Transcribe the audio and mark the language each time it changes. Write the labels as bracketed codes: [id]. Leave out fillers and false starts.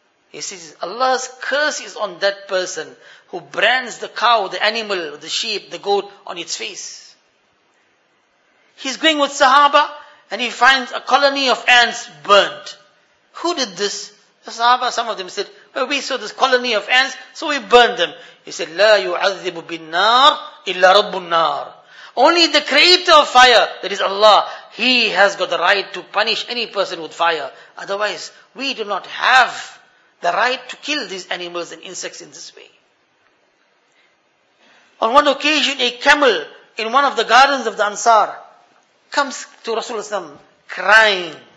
[en] He says, Allah's curse is on that person who brands the cow, the animal, the sheep, the goat on its face. He's going with Sahaba and he finds a colony of ants burnt. Who did this? The Sahaba, some of them said, well, we saw this colony of ants, so we burned them. He said, [ar] لا يعذب بالنار إلا رب النار. [en] Only the creator of fire, that is Allah, he has got the right to punish any person with fire. Otherwise, we do not have the right to kill these animals and insects in this way. On one occasion, a camel in one of the gardens of the Ansar comes to Rasulullah crying.